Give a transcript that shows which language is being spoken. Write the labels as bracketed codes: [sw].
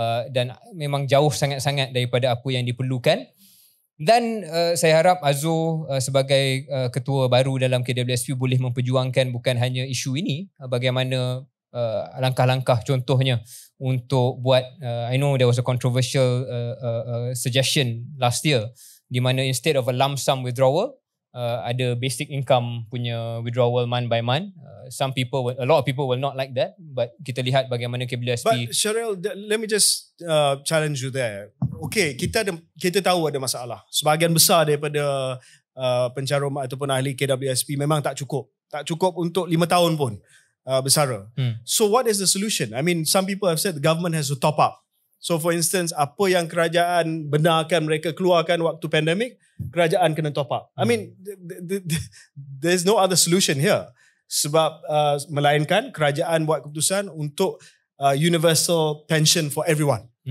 [ms] Dan memang jauh sangat-sangat daripada apa yang diperlukan. Dan saya harap Azul sebagai ketua baru dalam KWSP boleh memperjuangkan bukan hanya isu ini, bagaimana langkah-langkah contohnya untuk buat, [en] I know there was a controversial suggestion last year [ms] di mana [en] instead of a lump sum withdrawal, [ms] ada basic income punya withdrawal [en] month by month. Some people, a lot of people will not like that, but [ms] kita lihat bagaimana KWSP. [en] But Cheryl, let me just challenge you there. [ms] Okay, kita tahu ada masalah. Sebahagian besar daripada pencarum ataupun ahli KWSP memang tak cukup. Tak cukup untuk 5 tahun pun bersara. [en] So what is the solution? I mean, some people have said the government has to top up. So for instance, [ms] apa yang kerajaan benarkan mereka keluarkan waktu pandemik, kerajaan kena top up. [en] I mean, there's no other solution here. [ms] Sebab melainkan kerajaan buat keputusan untuk [en] universal pension for everyone.